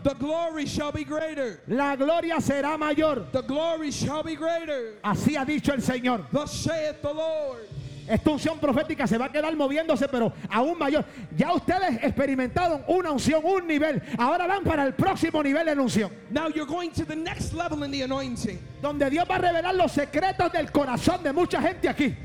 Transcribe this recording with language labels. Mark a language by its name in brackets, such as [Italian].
[English] The glory shall be greater. [Spanish] La gloria será mayor. [English] The glory shall be greater. [Spanish] Así ha dicho el Señor. [English] Thus saith the Lord. [Spanish] Esta unción profética se va a quedar moviéndose, pero aún mayor. Ya ustedes experimentaron una unción, un nivel. Ahora van para el próximo nivel de unción. [English] Now you're going to the next level in the anointing. [Spanish] Donde Dios va a revelar los secretos del corazón de mucha gente aquí.